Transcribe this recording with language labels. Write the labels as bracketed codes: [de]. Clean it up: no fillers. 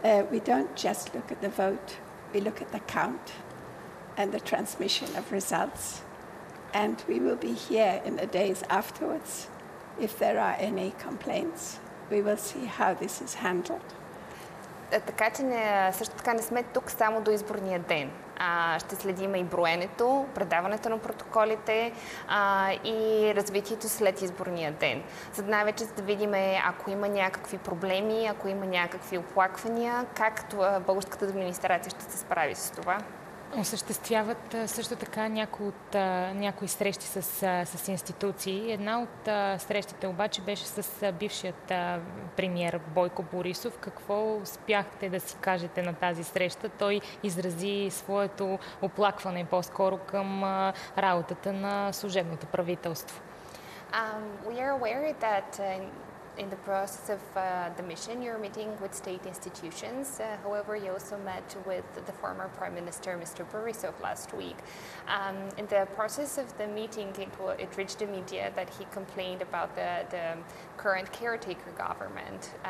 [en] We don't just look at the vote, we look at the count and the transmission of results. And we will be here in the days afterwards. If there are any complaints, we will see how this is handled. [bg] Така че също така не сме тук само до изборния ден. Ще следим и броенето, предаването на протоколите и развитието след изборния ден. За най-вече да видим ако има някакви проблеми, ако има някакви оплаквания, как българската администрация ще се справи с това. Осъществяват също така някои срещи с институции. Една от срещите обаче беше с бившият премиер Бойко Борисов. Какво успяхте да си кажете на тази среща? Той изрази своето оплакване по-скоро към работата на служебното правителство. [en] We are aware that in the process of the mission, you're meeting with state institutions. However, you also met with the former Prime Minister, Mr. Borisov, last week. In the process of the meeting, it reached the media that he complained about the current caretaker government.